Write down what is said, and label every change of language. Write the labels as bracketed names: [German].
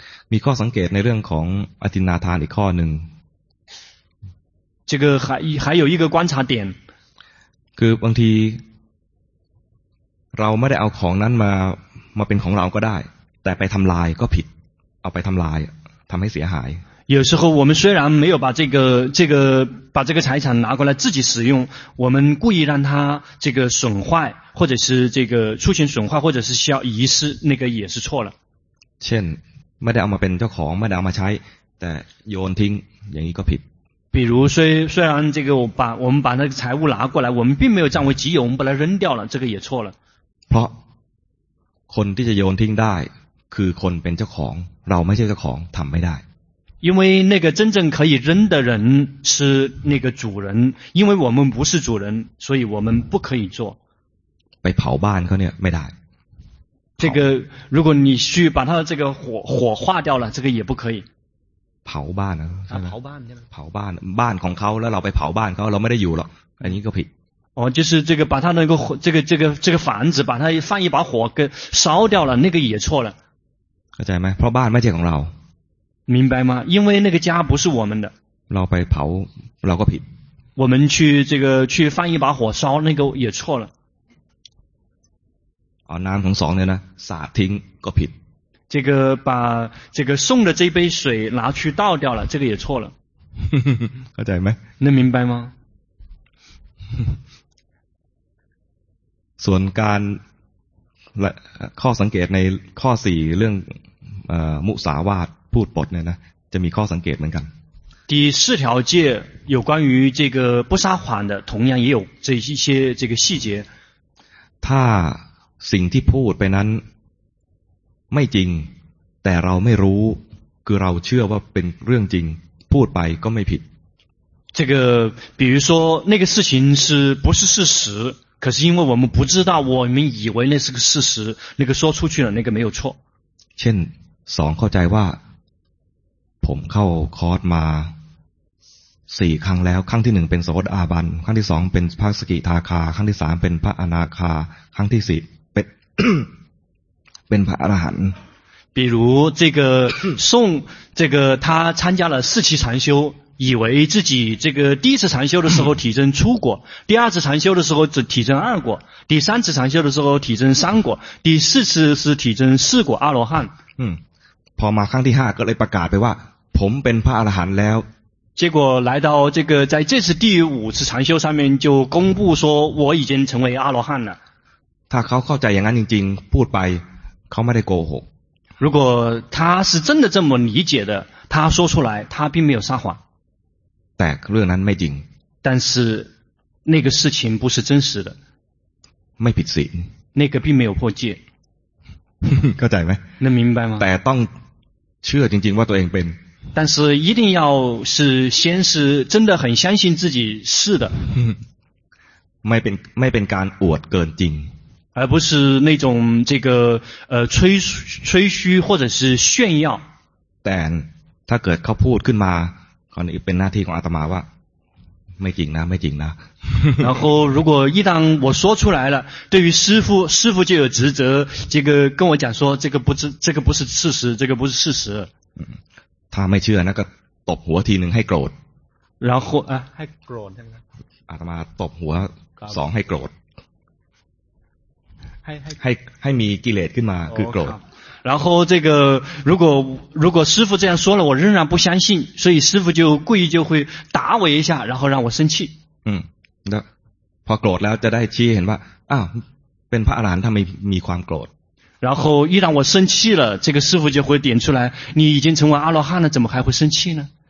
[Thai] มีข้อสังเกตในเรื่องของอทินนาทานอีกข้อหนึ่ง [Chinese] 这个还有一个观察点 [Thai] คือบางทีเราไม่ได้เอาของนั้นมาเป็นของเราก็ได้แต่ไปทำลายก็ผิดเอาไปทำลายทำให้เสียหาย [Chinese] 有时候我们虽然没有把这个把这个财产拿过来自己使用我们故意让它这个损坏或者是这个出现损坏或者是需要遗失那个也是错了 [Thai] เช่นไม่ได้เอามาเป็นเจ้าของไม่ได้เอามาใช้แต่โยนทิ้งอย่างนี้ก็ผิด [Chinese] 比如虽然这个我们把那个财物拿过来我们并没有占为己有我们把它扔掉了这个也错了 [Thai] เพราะคนที่จะโยนทิ้งได้คือคนเป็นเจ้าของเราไม่ใช่เจ้าของทำไม่ได้ [Chinese] 因为那个真正可以扔的人是那个主人因为我们不是主人所以我们不可以做 [Thai] ไปเผาบ้านเขาเนี่ยไม่ได้ [Chinese] 这个如果你去把他的这个火化掉了这个也不可以 [Thai] เผาบ้านนะ ใช่ไหมเผาบ้านใช่ไหม เผาบ้านบ้านของเขาแล้วเราไปเผาบ้านเขาเราไม่ได้อยู่หรอกอันนี้ก็ผิด [Chinese] อ๋อ就是这个把他那个这个房子把他放一把火给烧掉了那个也错了 [Thai] เข้าใจไหมเพราะบ้านไม่ใช่ของเรา [Chinese] 明白吗因为那个家不是我们的 [Thai] เราไปเผาเราก็ผิด [Chinese] 我们去这个去放一把火烧那个也错了 [Thai] เอาน้ำของสองเนี่ยนะสาดทิ้งก็ผิด [Chinese] 这个把这个送的这杯水拿去倒掉了这个也错了 [Thai] เข้าใจไหม [Chinese] 那明白吗 [Thai] ส่วนการข้อสังเกตในข้อ4เรื่องมุสาวาทพูดปดเนี่ยนะจะมีข้อสังเกตเหมือนกัน [Chinese] 第四条戒有关于这个不撒谎的同样也有这一些这个细节 [Thai] ถ้าสิ่งที่พูดไปนั้นไม่จริง แต่เราไม่รู้คือเราเชื่อว่าเป็นเรื่องจริงพูดไปก็ไม่ผิด [Chinese] 这个比如说那个事情是不是事实可是因为我们不知道我们以为那是个事实那个说出去了那个没有错 [Thai] เช่นสองเข้าใจว่าผมเข้าคอร์สมา4ครั้งแล้วครั้งที่1เป็นโสดาบันครั้งที่2เป็นพระสกิทาคาครั้งที่3เป็นพระอนาคาครั้งที่4เป็นพระอรหันต์ [Chinese] 比如这个宋这个他参加了四期禅修以为自己这个第一次禅修的时候体证初果第二次禅修的时候体证二果第三次禅修的时候体证三果第四次是体证四果阿罗汉 [Thai] พอมาครั้งที่5ก็เลยประกาศไปว่าผมเป็นพระอรหันต์แล้ว [Chinese] 结果来到这个在这次第五次禅修上面就公布说我已经成为阿罗汉了 [Thai] ถ้าเขาเข้าใจอย่างนั้นจริงๆพูดไปเขาไม่ได้โกหก [Chinese] 如果他是真的这么理解的他说出来他并没有撒谎 [Thai] แต่เรื่องนั้นไม่จริง [Chinese] 但是那个事情不是真实的 [Thai] ไม่ผิดศีล [Chinese] 那个并没有破戒 [Thai] เข้าใจไหม [Chinese] 那明白吗 [Thai] แต่ต้องเชื่อจริงๆว่าตัวเองเป็น [Chinese] 但是一定要是先是真的很相信自己是的 [Thai] ไม่เป็นการอวดเกินจริง [Chinese] 而不是那种这个吹嘘或者是炫耀 [Thai] แต่ถ้าเกิดเขาพูดขึ้นมาก็เป็นหน้าที่ของอาตมาว่าไม่จริงนะไม่จริงนะ [Chinese] 然后如果一旦我说出来了对于师父就有职责这个跟我讲说这个不是事实这个不是事实 [Thai] ถ้าไม่เชื่อนะก็ตบหัวทีหนึ่งให้โกรธ แล้วให้โกรธใ ช่ไหม อาตมาตบหัวสองให้โกรธ ให้ มีกิเลสขึ้นมาคือโกรธ [Chinese] 然后这个如果师父这样说了我仍然不相信所以师父就故意就会打我一下然后让我生气 [Thai] แล้วพอโกรธแล้วจะได้ชี้เห็นว่าอ้าวเป็นพระอรหันต์ทำไมมีความโกรธ [Chinese] 然后一旦我生气了这个师父就会点出来你已经成为阿罗汉了怎么还会生气呢